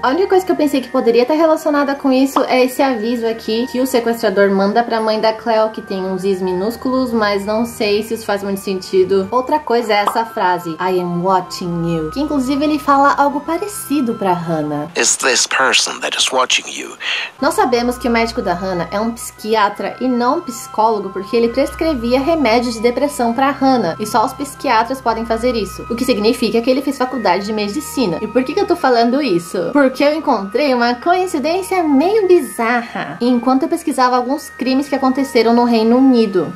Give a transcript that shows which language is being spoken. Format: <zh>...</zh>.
<pt>A única coisa que eu pensei que poderia estar relacionada com isso é esse aviso aqui que o sequestrador manda pra mãe da Cleo, que tem uns is minúsculos, mas não sei se isso faz muito sentido. Outra coisa é essa frase,</pt> <en>I am watching you,</en> <pt>que inclusive ele fala algo parecido pra Hannah.</pt> <en>It's this person that is watching you.</en> <pt>Nós sabemos que o médico da Hannah é um psiquiatra e não um psicólogo, porque ele prescrevia remédios de depressão pra Hannah, e só os psiquiatras podem fazer isso, o que significa que ele fez faculdade de medicina. E por que eu tô falando isso? Porque eu encontrei uma coincidência meio bizarra enquanto eu pesquisava alguns crimes que aconteceram no Reino Unido.</pt>